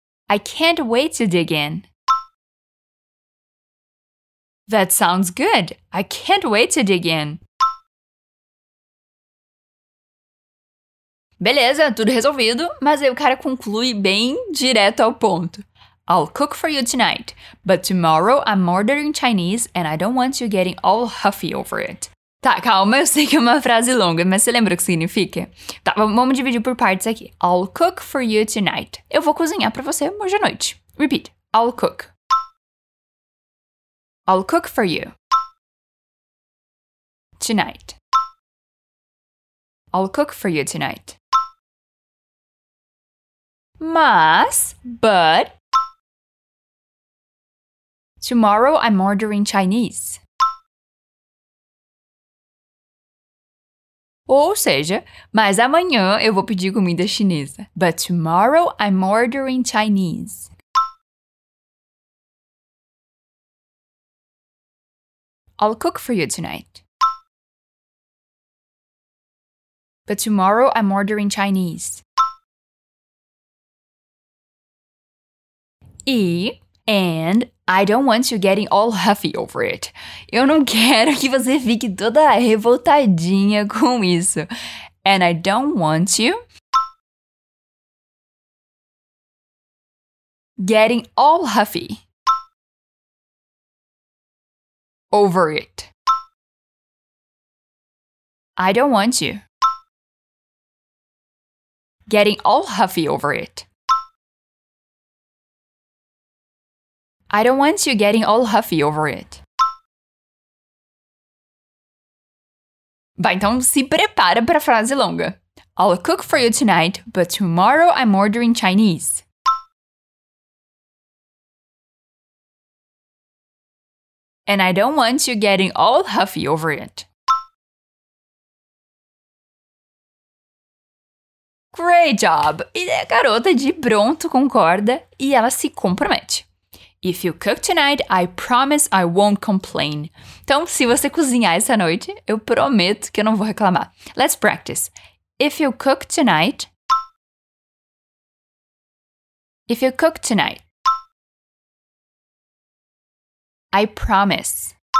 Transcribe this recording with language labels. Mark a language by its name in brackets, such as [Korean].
[English] I can't wait to dig in. That sounds good. I can't wait to dig in. [Portuguese] Beleza, tudo resolvido, mas aí o cara conclui bem direto ao ponto. [English] I'll cook for you tonight, but tomorrow I'm ordering Chinese and I don't want you getting all huffy over it. [Portuguese] Tá, calma, eu sei que é uma frase longa, mas você lembra o que significa? Tá, vamos dividir por partes aqui. [English] I'll cook for you tonight. [Portuguese] Eu vou cozinhar pra você hoje à noite. [English] Repeat. I'll cook. I'll cook for you. Tonight. I'll cook for you tonight. [Portuguese] Mas, [English] but... Tomorrow I'm ordering Chinese. [Portuguese] Ou seja, mas amanhã eu vou pedir comida chinesa. [English] But tomorrow I'm ordering Chinese. I'll cook for you tonight. But tomorrow I'm ordering Chinese. And I don't want you getting all huffy over it. [Portuguese] Eu não quero que você fique toda revoltadinha com isso. [English] And I don't want you getting all huffy over it. I don't want you getting all huffy over it. I don't want you getting all huffy over it. [Portuguese] Vai, então se prepara para a frase longa. [English] I'll cook for you tonight, but tomorrow I'm ordering Chinese. And I don't want you getting all huffy over it. Great job! [Portuguese] E a garota de pronto concorda e ela se compromete. [English] If you cook tonight, I promise I won't complain. [Portuguese] Então, se você cozinhar essa noite, eu prometo que eu não vou reclamar. [English] Let's practice. If you cook tonight... If you cook tonight... I promise.